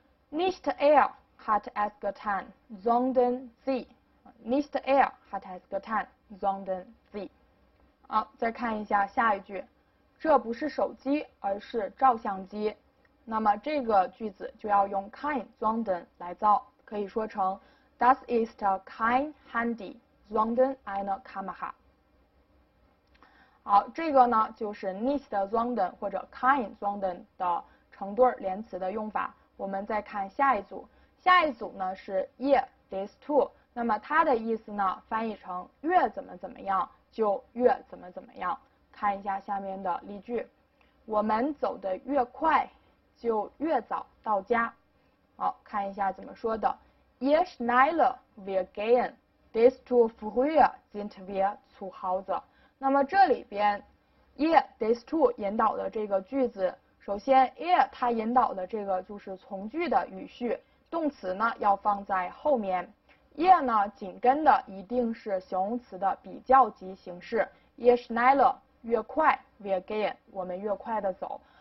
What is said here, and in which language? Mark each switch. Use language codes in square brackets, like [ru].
[de] Nicht er hat es getan, sondern sie。 Nicht er hat es getan, sondern sie。 [zh] 好，再看一下下一句，这不是手机而是照相机，那么这个句子就要用 kein sondern 来造，可以说成 [de] Das ist kein Handy, sondern eine Kamera。 [zh] 好，这个呢就是 nicht sondern 或者 kein sondern 的成对连词的用法。我们再看下一组，下一组呢是 ihr das Tool，那么它的意思呢翻译成越怎么怎么样就越怎么怎么样。看一下下面的例句，我们走得越快，就越早到家。好，看一下怎么说的。 [de] Je schneller wir gehen, desto früher sind wir zu Hause。 [zh] 那么这里边，je desto 引导的这个句子，首先，je 它引导的这个就是从句的语序，动词呢要放在后面，je 呢紧跟的一定是形容词的比较级形式，je schneller 越快，wir gehen 我们越快的走。